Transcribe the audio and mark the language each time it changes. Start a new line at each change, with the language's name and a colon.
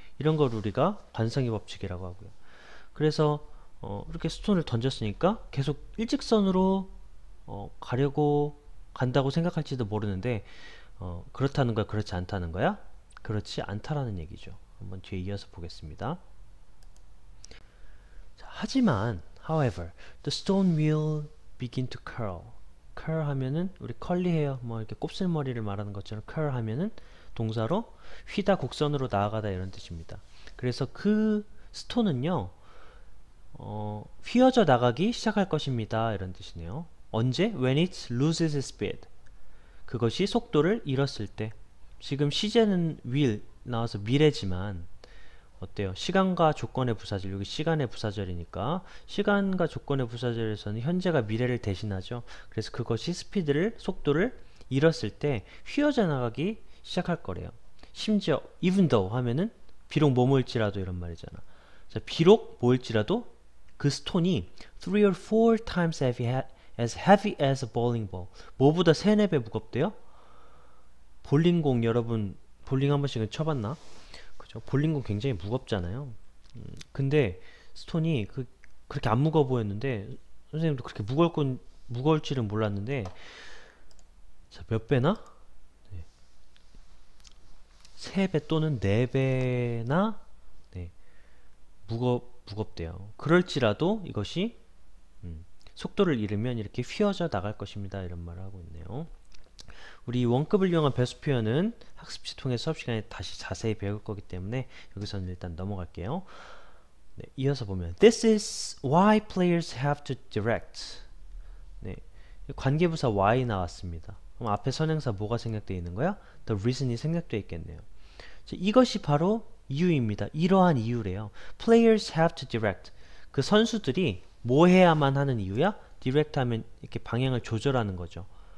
Korean: 이런 걸 우리가 관성의 법칙이라고 하고요. 그래서, 이렇게 스톤을 던졌으니까 계속 일직선으로, 가려고 간다고 생각할지도 모르는데, 그렇다는 거야? 그렇지 않다는 거야? 그렇지 않다라는 얘기죠. 한번 뒤에 이어서 보겠습니다. 하지만,
English: however, the stone will begin to curl.
Korean: curl 하면은 우리 컬리해요. 뭐 이렇게 곱슬머리를 말하는 것처럼 curl 하면은 동사로 휘다, 곡선으로 나아가다 이런 뜻입니다. 그래서 그 스톤은요, 휘어져 나가기 시작할 것입니다. 이런 뜻이네요. 언제?
English: When it loses its speed.
Korean: 그것이 속도를 잃었을 때. 지금 시제는 will 나와서 미래지만. 어때요? 시간과 조건의 부사절, 여기 시간의 부사절이니까, 시간과 조건의 부사절에서는 현재가 미래를 대신하죠. 그래서 그것이 속도를 잃었을 때, 휘어져 나가기 시작할 거래요. 심지어, even though 하면은, 비록 뭐뭐일지라도 이런 말이잖아. 자, 비록 뭐일지라도, 그 스톤이
English: three or four times as heavy as a bowling ball.
Korean: 뭐보다 세네 배 무겁대요? 볼링공, 여러분, 볼링 한 번씩은 쳐봤나? 볼링공 굉장히 무겁잖아요. 근데 스톤이 그렇게 안 무거워 보였는데 선생님도 그렇게 무거울지는 몰랐는데 자, 몇 배나? 세배 또는 네 배나 무겁대요. 그럴지라도 이것이 속도를 잃으면 이렇게 휘어져 나갈 것입니다. 이런 말을 하고 있네요. 우리 원급을 이용한 배수 표현은 학습지 통해서 수업 시간에 다시 자세히 배울 거기 때문에 여기서는 일단 넘어갈게요. 네, 이어서 보면
English: This is why players have to direct.
Korean: 네, 관계부사 why 나왔습니다. 그럼 앞에 선행사 뭐가 생략되어 있는 거야? The reason이 생략되어 있겠네요. 자, 이것이 바로 이유입니다. 이러한 이유래요.
English: Players have to direct.
Korean: 그 선수들이 뭐 해야만 하는 이유야? Direct 하면 이렇게 방향을 조절하는 거죠.